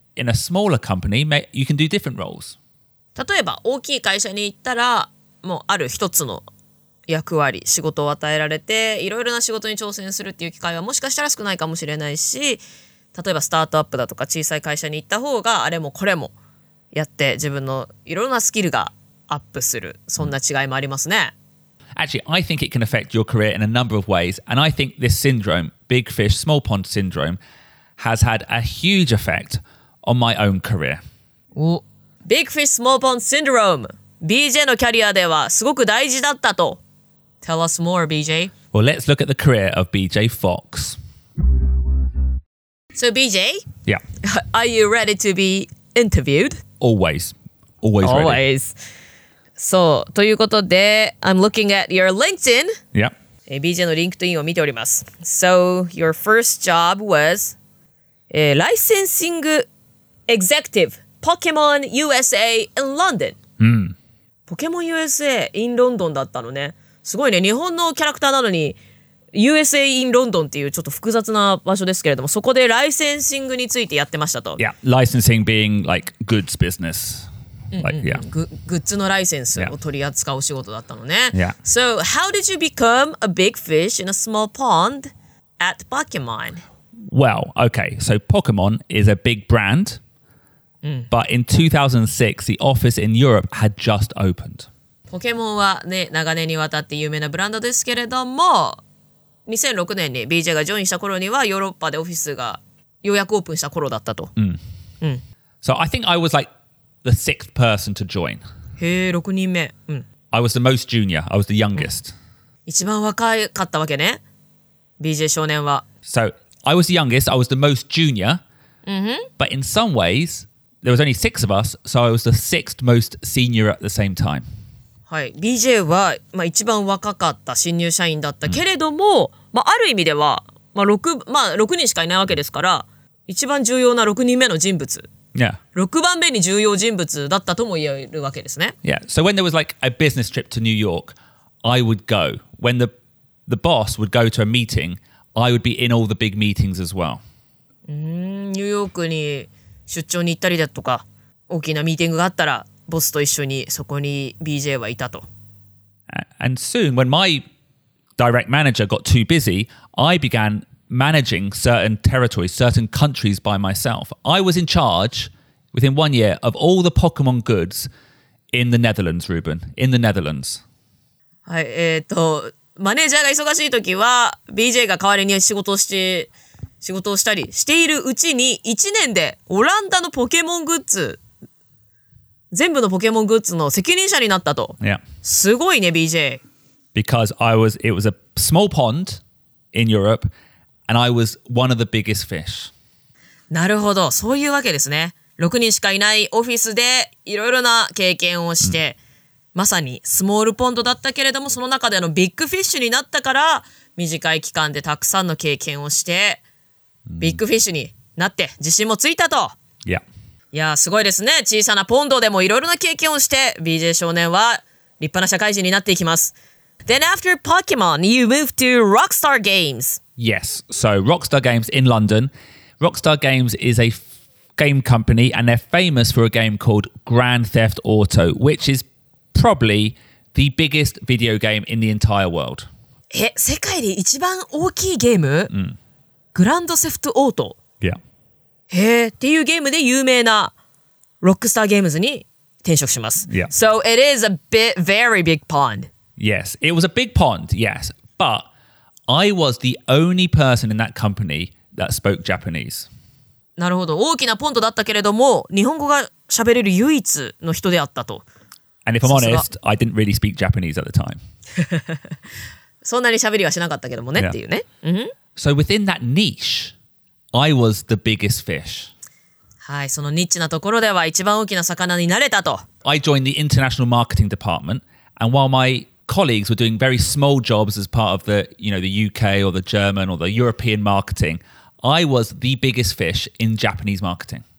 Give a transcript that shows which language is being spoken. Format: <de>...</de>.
<en>In a smaller company, you can do different roles.</en> <ja>例えば、大きい会社に行ったら、もうある一つの役割、仕事を与えられて、いろいろな仕事に挑戦するっていう機会はもしかしたら少ないかもしれないし、例えばスタートアップだとか小さい会社に行った方があれもこれもやって自分のいろんなスキルがアップする、そんな違いもありますね。</ja> <en>Actually, I think it can affect your career in a number of ways, and I think this syndrome, big fish, small pond syndrome, has had a huge effect on my own career. Big fish, small pond syndrome.</en> <ja>BJ のキャリアではすごく大事だったと。</ja> <en>Tell us more, BJ. Well, let's look at the career of BJ Fox. So, BJ? Yeah. Are you ready to be interviewed? Always. Always ready. Always. So, ということで、I'm looking at your LinkedIn. Yeah.</en> <ja>BJ の LinkedIn を見ております。</ja> <en>So, your first job was Licensing Executive, Pokemon USA in London.</en> <ja>ポケモン USA in ロンドンだったのね。すごいね、日本のキャラクターなのに USA in ロンドンっていうちょっと複雑な場所ですけれども、そこでライセンシングについてやってましたと。</ja> <en>Yeah, licensing being like goods business. Like, yeah.</en> <ja>グッズのライセンスを取り扱うお仕事だったのね。</ja> <en>Yeah. So how did you become a big fish in a small pond at Pokemon? Well, okay, so Pokemon is a big brandBut in 2006, the office in Europe had just opened.</en> <ja>Pokemon はね、長年にわたって有名なブランドですけれども、2006年に BJ がジョインした頃には、ヨーロッパでオフィスがようやくオープンした頃だったと。</ja> <en>So I think I was like the sixth person to join.</en> <ja>へえ、6人目。</ja> <en>I was the most junior. I was the youngest.</en> <ja>一番若かったわけね、BJ 少年は。</ja> <en>So I was the youngest. I was the most junior. But in some ways... There was only six of us, so I was the sixth most senior at the same time.</en> <ja>はい、BJ は、まあ、一番若かった新入社員だったけれども、まあ、ある意味では、まあ 6人しかいないわけですから、一番重要な6人目の人物。</ja> <en>Yeah.</en> <ja>6番目に重要人物だったとも言えるわけですね。</ja> <en>Yeah, so when there was like a business trip to New York, I would go. When the boss would go to a meeting, I would be in all the big meetings as well.</en> <ja>ニューヨークに出張に行ったりだとか、大きなミーティングがあったら、ボスと一緒にそこに BJ はいたと。</ja> <en>And soon, when my direct manager got too busy, I began managing certain territories, certain countries by myself. I was in charge, within 1 year, of all the Pokemon goods in the Netherlands, Ruben, in the Netherlands.</en> <ja>はい、マネージャーが忙しい時は、BJ が代わりに仕事をして、仕事をしたりしているうちに、1年でオランダのポケモングッズ、全部のポケモングッズの責任者になったと。</ja> <en>Yeah.</en> <ja>すごいね、BJ。</ja> <en>Because it was a small pond in Europe, and I was one of the biggest fish.</en> <ja>なるほど、そういうわけですね。6人しかいないオフィスでいろいろな経験をして、まさにスモールポンドだったけれども、その中でのビッグフィッシュになったから、短い期間でたくさんの経験をして、ビッグフィッシュになって自信もついたと。</ja> <en>Yeah.</en> <ja>いや、すごいですね。小さなポンドでもいろいろな経験をして、BJ 少年は立派な社会人になっていきます。</ja> <en>Then after Pokemon, you moved to Rockstar Games. Yes, so Rockstar Games in London. Rockstar Games is a game company and they're famous for a game called Grand Theft Auto, which is probably the biggest video game in the entire world.</en> <ja>え、世界で一番大きいゲーム？グランドセフトオート。</ja> <en>Yeah.</en> <ja>へえ、っていうゲームで有名な Rockstar Games に転職します。</ja> <en>Yeah. So it is a bit very big pond. Yes, it was a big pond, yes. But I was the only person in that company that spoke Japanese.</en> <ja>なるほど。大きなポンドだったけれども、日本語が喋れる唯一の人であったと。</ja> <en>And if I'm honest, I didn't really speak Japanese at the time.</en> <ja>そんなに喋りはしなかったけどもね、yeah. っていうね。 Mm-hmm.</ja> <en>So within that niche, I was the biggest fish.</en> <ja>はい、そのニッチなところでは一番大きな魚になれたと。</ja> <en>I joined the international marketing department, and while myColleagues were doing very small jobs as part of the, you know, the UK or the German or the European marketing. I was the biggest fish in Japanese marketing.</en>